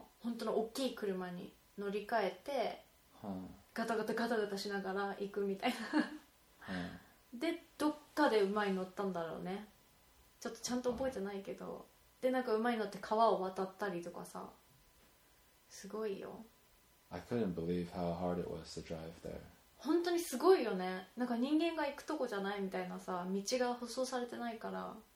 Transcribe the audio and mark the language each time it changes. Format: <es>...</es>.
<ja>でも途中まで自分の車で行って、途中からそこの現地の人の本当の大きい車に乗り換えて、 ガタガタガタガタしながら行くみたいな。で、どっかで馬に乗ったんだろうね。ちょっとちゃんと覚えてないけど。で、なんか馬に乗って川を渡ったりとかさ。すごいよ。I</ja> <en>couldn't believe how hard it was to drive there.</en> <ja>本当にすごいよね。なんか人間が行くとこじゃないみたいなさ、道が舗装されてないから。</ja>